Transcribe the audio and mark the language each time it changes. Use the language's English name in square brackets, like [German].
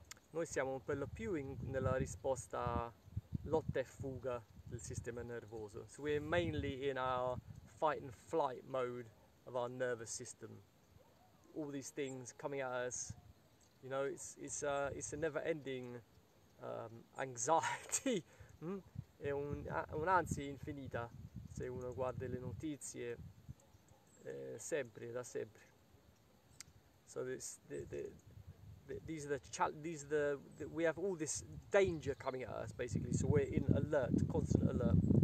[Italian] Noi siamo per lo più nella risposta lotta e fuga del sistema nervoso. [English] So we're mainly in our fight and flight mode of our nervous system. All these things coming at us, it's a never ending anxiety. [Italian] È un'ansia infinita. Se uno guarda le notizie, sempre, da sempre. [English] So this the These are the chal these are the we have all this danger coming at us basically, so we're in alert, constant alert.